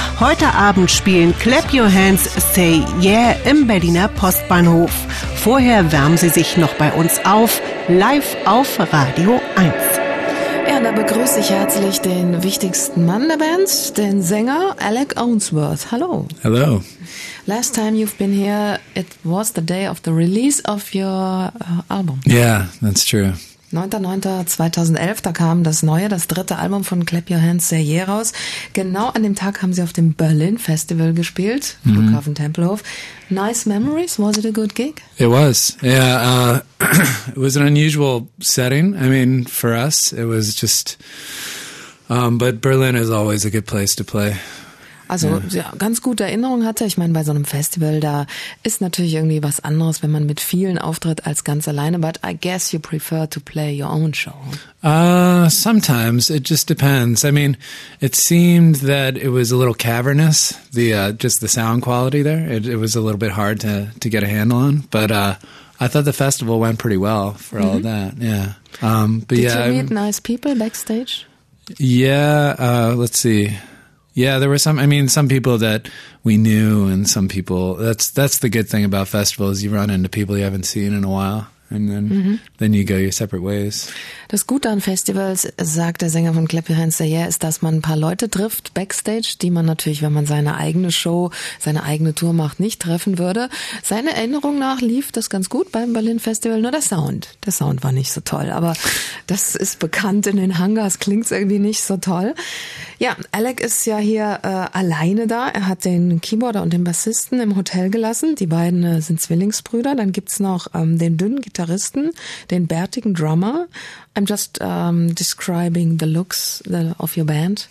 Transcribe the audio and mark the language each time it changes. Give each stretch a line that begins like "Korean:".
German: Heute Abend spielen Clap Your Hands, Say Yeah im Berliner Postbahnhof. Vorher wärmen sie sich noch bei uns auf, live auf Radio 1. Ja, da begrüße ich herzlich den wichtigsten Mann der Band, den Sänger Alec Owensworth. Hallo. Hallo.
English: Last time you've been here, it was the day of the release of your album. Yeah, that's true.
German: 9.9.2011, da kam das neue, das dritte Album von Clap Your Hands, Say Yeah raus. Genau an dem Tag haben sie auf dem Berlin Festival gespielt, Flughafen Tempelhof.
English: Nice memories, was it a good gig? It was, yeah. It was an unusual setting, I mean, for us, it was just, but Berlin is always a good place to play.
German: Also ja, ganz gute Erinnerung hatte. Ich meine, bei so einem Festival, da ist natürlich irgendwie was anderes, wenn man mit vielen auftritt als ganz alleine.
English: But I guess you prefer to play your own show. Sometimes. It just depends. I mean, it seemed that it was a little cavernous, the sound quality there. It was a little bit hard to get a handle on. But I thought the festival went pretty well for all of that. Yeah. Did you meet nice people backstage? Yeah. Let's see. Yeah, there were some people that we knew and some people, that's the good thing about festivals, you run into people you haven't seen in a while and then you go your separate ways.
German: Das Gute an Festivals, sagt der Sänger von Clap Your Hands, yeah, ist, dass man ein paar Leute trifft backstage, die man natürlich, wenn man seine eigene Show, seine eigene Tour macht, nicht treffen würde. Seiner Erinnerung nach lief das ganz gut beim Berlin Festival, nur der Sound war nicht so toll, aber das ist bekannt in den Hangars, klingt irgendwie nicht so toll. Ja, Alec ist ja hier alleine da. Er hat den Keyboarder und den Bassisten im Hotel gelassen. Die beiden sind Zwillingsbrüder. Dann gibt's noch den dünnen Gitarristen, den bärtigen Drummer.
English: I'm just describing the looks of your band.